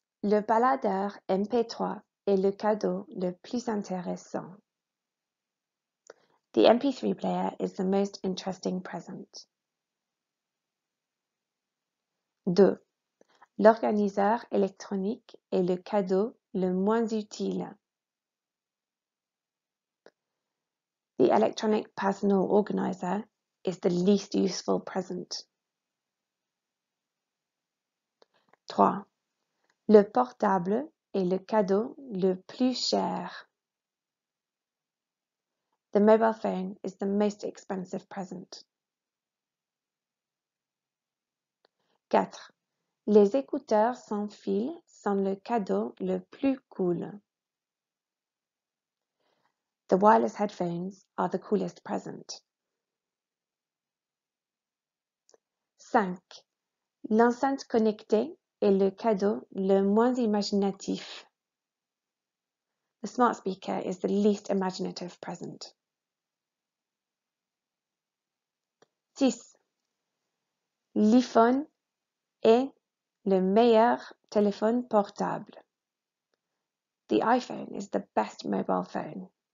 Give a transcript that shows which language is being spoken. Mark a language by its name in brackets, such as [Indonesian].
[French] Le baladeur MP3 est le cadeau le plus intéressant. [English] The MP3 player is the most interesting present. 2. [French] L'organiseur électronique est le cadeau le moins utile. [English] The electronic personal organizer is the least useful present. [French] 3. Le portable est le cadeau le plus cher. [English] The mobile phone is the most expensive present. 4. [French] Les écouteurs sans fil sont le cadeau le plus cool. [English] The wireless headphones are the coolest present. [French] 5. L'enceinte connectée est le cadeau le moins imaginatif. [English] The smart speaker is the least imaginative present. [French] 6. L'iPhone est le meilleur téléphone portable. [English] The iPhone is the best mobile phone.